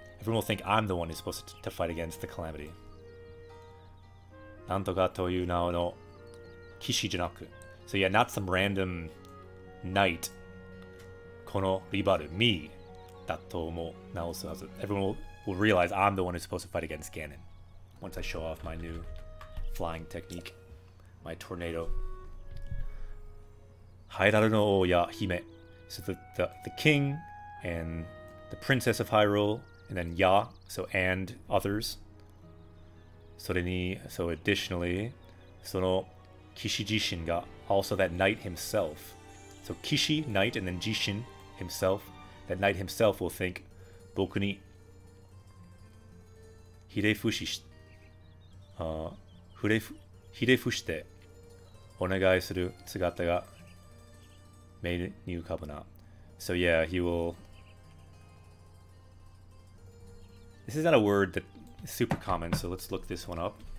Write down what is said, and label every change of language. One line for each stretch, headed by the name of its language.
English: Everyone will think I'm the one who's supposed to fight against the calamity.
Japanese: なんとかという名の騎士じゃなく。
English: So yeah, not some random knight.
Japanese: このリバル、
English: me,
Japanese: だと思う。なおすはず。
English: Everyone will realize I'm the one who's supposed to fight against Ganon. Once I show off my new flying technique, my tornado.
Japanese: ハイラルの王や姫。
English: So the king and the princess of Hyrule. And then ya, so and others.
Japanese: それに、
English: so additionally,
Japanese: その kishi jishin
English: ga, also that knight himself. So kishi, knight, and then jishin, himself. That knight himself will think,
Japanese: 僕に、ひれ伏しひれ伏してお願いする姿が目に浮かぶな。
English: So yeah, he will... This is not a word that is super common, so let's look this one up.